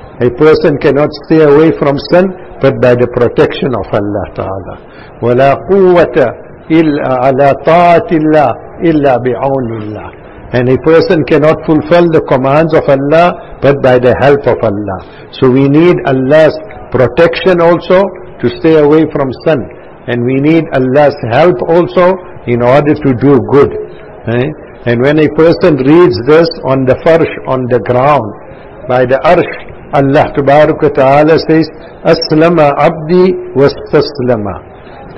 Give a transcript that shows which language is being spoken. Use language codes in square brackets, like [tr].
[en] A person cannot stay away from sin but by the protection of Allah Ta'ala. [ar] ولا قوة إلا على طاعة الله إلا بعون الله. [en] And a person cannot fulfill the commands of Allah but by the help of Allah. So we need Allah's protection also to stay away from sin. And we need Allah's help also in order to do good. And when a person reads this on the farsh, on the ground, by the arsh, Allah Tabaraka Ta'ala says, [ar] Aslama abdi wastaslama.